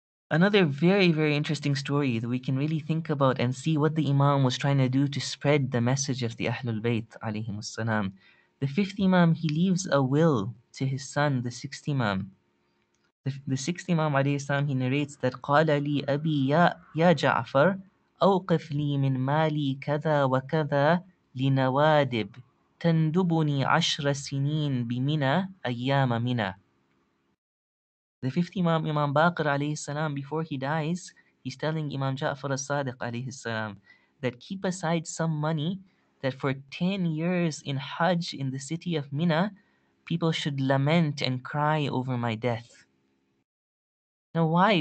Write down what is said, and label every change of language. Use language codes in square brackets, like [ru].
[en] Another very, very interesting story that we can really think about and see what the Imam was trying to do to spread the message of the Ahlul Bayt, alayhim as-salam. The fifth Imam, he leaves a will to his son, the sixth Imam. The sixth Imam, alayhi as-salam, he narrates that, [ar] قَالَ لِي أَبِي يَا جَعْفَرْ أَوْقِفْ لِي مِنْ مَالِي كَذَا وَكَذَا لِنَوَادِبْ تَنْدُبُنِي عَشْرَ سِنِينَ بِمِنَا أَيَّامَ مِنَا. [en] The fifth Imam, Imam Baqir alayhi salam, before he dies, he's telling Imam Ja'far al-Sadiq alayhi salam that keep aside some money that for 10 years in Hajj in the city of Mina, people should lament and cry over my death. Now why?